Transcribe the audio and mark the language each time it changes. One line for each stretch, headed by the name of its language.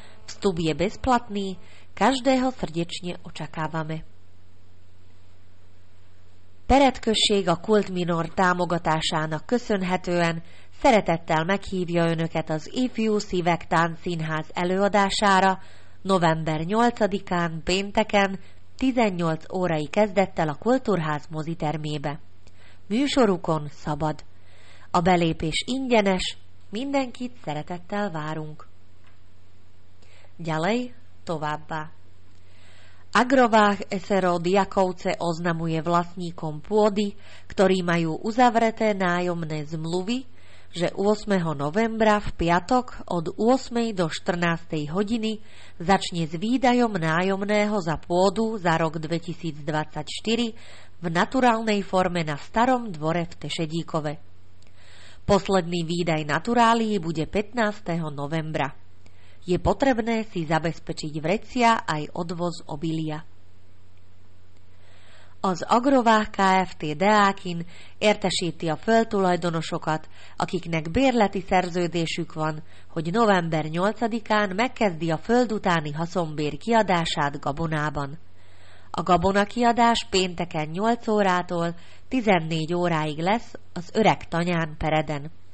Slovak: Vstup je bezplatný, každého srdečne očakávame.
Hungarian: Peredkösség a Kultminor támogatásának köszönhetően szeretettel meghívja önöket az Ifjú Szívek Táncszínház előadására november 8-án pénteken 18 órai kezdettel a Kultúrház mozitermébe. Műsorukon szabad. A belépés ingyenes, mindenkit szeretettel várunk.
Slovak: Ďalej,
Hungarian: továbbá.
Slovak: Agrováh SRO Diakovce oznamuje vlastníkom pôdy, ktorí majú uzavreté nájomné zmluvy, že 8. novembra v piatok od 8. do 14. hodiny začne s výdajom nájomného za pôdu za rok 2024 v naturálnej forme na starom dvore v Tešedíkove. Posledný výdaj naturálii bude 15. novembra. Je potrebné si zabezpečiť vrecia aj odvoz obilia.
Hungarian: Az Agrováh Kft. Deákin értesíti a földtulajdonosokat, akiknek bérleti szerződésük van, hogy november 8-án megkezdi a föld utáni haszonbér kiadását gabonában. A gabona kiadás pénteken 8 órától 14 óráig lesz az öreg tanyán Pereden.